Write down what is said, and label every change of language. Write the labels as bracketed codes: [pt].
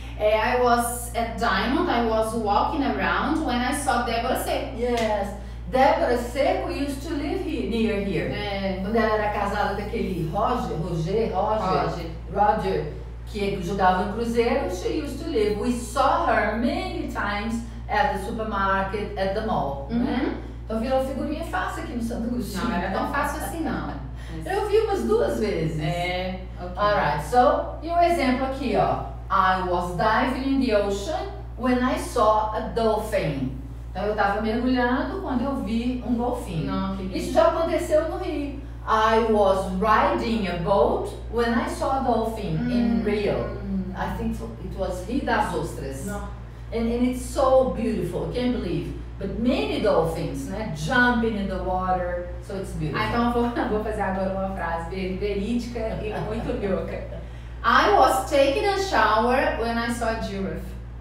[en] I was at Diamond, I was walking around when I saw Deborah Secco. Yes, Deborah Secco used to live here, near here. [pt] É. Quando ela era casada daquele Roger, que jogava em Cruzeiro, [en] she used to live. We saw her many times at the supermarket, at the mall. Uh-huh. [pt] Né? Então virou figurinha fácil aqui no sanduíche. Não, era tão fácil assim não. Eu vi umas duas vezes. É, ok. [en] Alright, so, [pt] e um exemplo aqui, ó. [en] I was diving in the ocean when I saw a dolphin. [pt] Então eu tava mergulhando quando eu vi um golfinho. Não, isso já aconteceu no Rio. [en] I was riding a boat when I saw a dolphin in Rio. I think it was Rio das Ostras. [pt] Não. [en] And it's so beautiful, I can't believe. But many dolphins, né? Jumping in the water, so it's beautiful. [pt] Ah, então vou fazer agora uma frase verídica e muito louca. [en] I was taking a shower when I saw a giraffe.